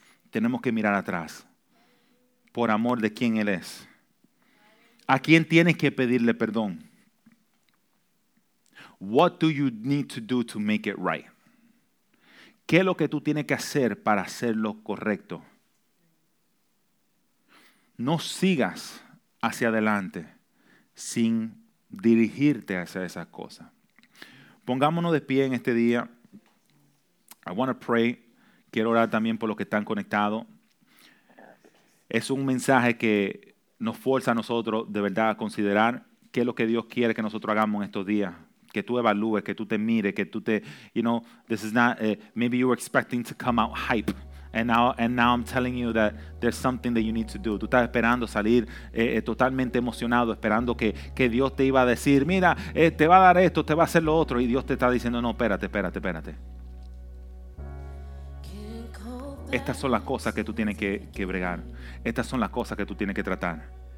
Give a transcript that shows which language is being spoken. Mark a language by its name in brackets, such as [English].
[Spanish] Tenemos que mirar atrás por amor de quién Él es. ¿A quién tienes que pedirle perdón? [English] What do you need to do to make it right? [Spanish] ¿Qué es lo que tú tienes que hacer para hacerlo correcto? No sigas hacia adelante sin dirigirte hacia esas cosas. Pongámonos de pie en este día. [English] I want to pray. [Spanish] Quiero orar también por los que están conectados. Es un mensaje que nos fuerza a nosotros de verdad a considerar qué es lo que Dios quiere que nosotros hagamos en estos días. Que tú evalúes, que tú te mires, que tú te, [English] you know, this is not, maybe you were expecting to come out hype. And now I'm telling you that there's something that you need to do. [Spanish] Tú estás esperando salir totalmente emocionado, esperando que Dios te iba a decir, mira, te va a dar esto, te va a hacer lo otro. Y Dios te está diciendo, no, espérate. Estas son las cosas que tú tienes que bregar. Estas son las cosas que tú tienes que tratar.